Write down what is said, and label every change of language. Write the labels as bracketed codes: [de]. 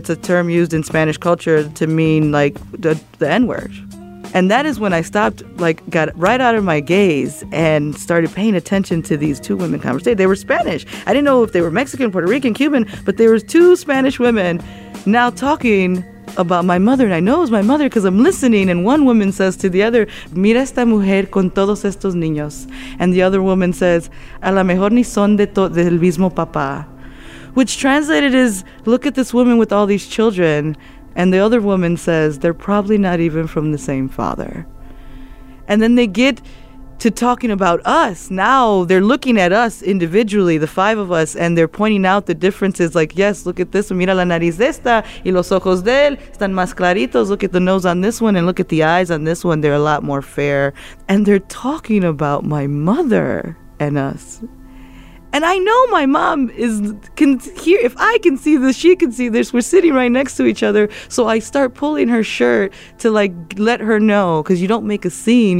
[en] It's a term used in Spanish culture to mean like the N-word. And that is when I stopped, like, got right out of my gaze and started paying attention to these two women conversation. They were Spanish. I didn't know if they were Mexican, Puerto Rican, Cuban, but there was two Spanish women now talking about my mother, and I know it was my mother because I'm listening. And one woman says to the other, [es] mira esta mujer con todos estos niños. [en] And the other woman says, [es] a lo mejor ni son del mismo papá. [en] Which translated is, look at this woman with all these children. And the other woman says, they're probably not even from the same father. And then they get to talking about us. Now they're looking at us individually, the five of us, and they're pointing out the differences. Like, yes, look at this one. [es] Mira la nariz de esta y los ojos de él están más claritos. [en] Look at the nose on this one and look at the eyes on this one. They're a lot more fair. And they're talking about my mother and us. And I know my mom can hear. If I can see this, she can see this. We're sitting right next to each other. So I start pulling her shirt to, like, let her know, because you don't make a scene.